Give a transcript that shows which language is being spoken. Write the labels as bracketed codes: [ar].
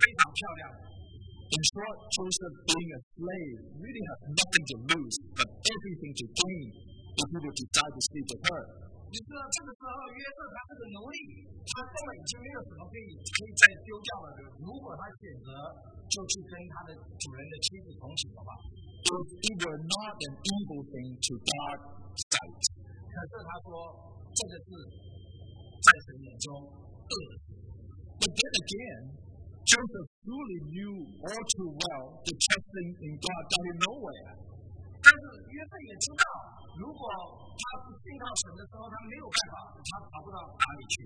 [en] In short, Joseph being a slave really has nothing to lose, but everything to gain if he would decide to speak with her. [zh] 你知道这个时候，约瑟他是个奴隶，他根本就没有什么可以再丢掉了。如果他选择就去跟他的主人的妻子同寝的话， [en] it were not an evil thing to God's sight. [zh] 可是他说，这个是在神眼中恶。 [en] But then again, Joseph truly knew all too well the trusting in God got him nowhere. [zh] 但是约瑟也知道，如果他不信靠神的时候，他没有办法，他逃不到哪里去。